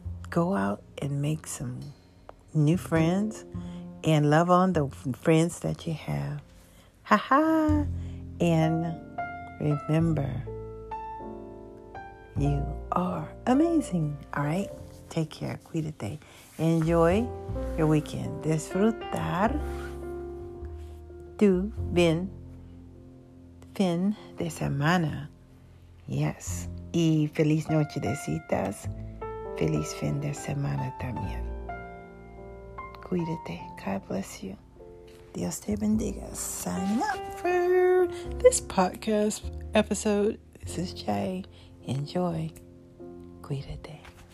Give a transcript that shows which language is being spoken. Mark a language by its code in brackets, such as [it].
[en] Go out and make some new friends and love on the friends that you have. Ha ha! And remember, you are amazing. All right? Take care. [es] Cuídate. [en] Enjoy your weekend. [es] Disfrutar tu fin de semana. Yes. Y feliz noche de citas. Feliz fin de semana también. Cuídate. [en] God bless you. [es] Dios te bendiga. [en] Sign up for this podcast episode. This is Jay. Enjoy. [es] Cuídate.